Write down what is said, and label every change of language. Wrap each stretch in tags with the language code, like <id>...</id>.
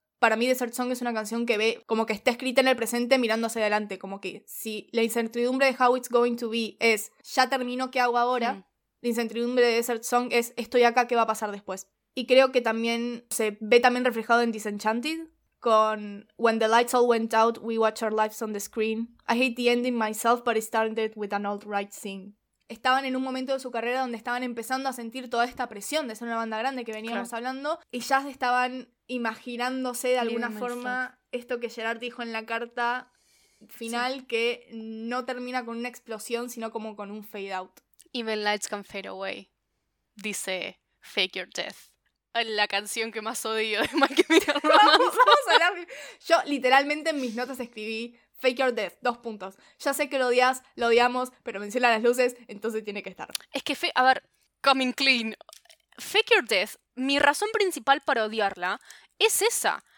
<es>para mí Desert Song es una canción que ve como que está escrita en el presente mirando hacia adelante, como que si la incertidumbre de How It's Going To Be es ya termino, ¿qué hago ahora? Mm. La incertidumbre de Desert Song es estoy acá, ¿qué va a pasar después? Y creo que también se ve también reflejado en Disenchanted con</es> <en>When the lights all went out, we watch our lives on the screen. I hate the ending myself, but it started with an alt-right thing.</en> <es>Estaban en un momento de su carrera donde estaban empezando a sentir toda esta presión de ser una banda grande que veníamos claro. hablando, y ya se estaban imaginándose de alguna forma esto que Gerard dijo en la carta final, sí. que no termina con una explosión, sino como con un fade out.</es> <en>Even lights can fade away,</en> <es>dice</es> <en>Fake Your Death.</en> <es>La canción que más odio de My Chemical Romance. Vamos a hablar. Yo literalmente en mis notas escribí Fake Your Death, dos puntos. Ya sé que lo odias, lo odiamos, pero menciona las luces, entonces tiene que estar. Es que, a ver,</es> <en>coming clean.</en> <es>Fake Your Death, mi razón principal para odiarla es esa.</es>